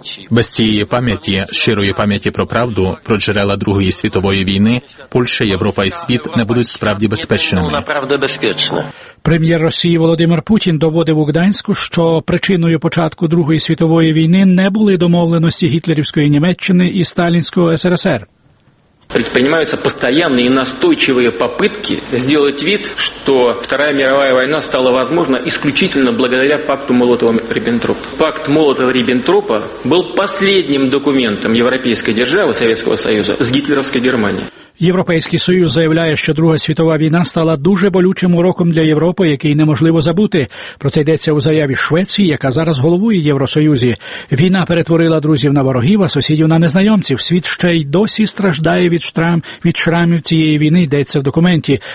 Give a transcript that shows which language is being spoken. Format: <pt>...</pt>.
<uk>Без цієї пам'яті, щирої пам'яті про правду, про джерела Другої світової війни, Польща, Європа і світ не будуть справді безпечними. Прем'єр Росії Володимир Путін доводив у Гданську, що причиною початку Другої світової війни не були домовленості гітлерівської Німеччини і сталінського СРСР.</uk> <ru>Предпринимаются постоянные и настойчивые попытки сделать вид, что Вторая мировая война стала возможна исключительно благодаря пакту Молотова-Риббентропа. Пакт Молотова-Риббентропа был последним документом европейской державы Советского Союза с гитлеровской Германией.</ru> <uk>Європейський Союз заявляє, що Друга світова війна стала дуже болючим уроком для Європи, який неможливо забути. Про це йдеться у заяві Швеції, яка зараз головує Євросоюзі. Війна перетворила друзів на ворогів, а сусідів на незнайомців. Світ ще й досі страждає від шрамів цієї війни, йдеться в документі.</uk>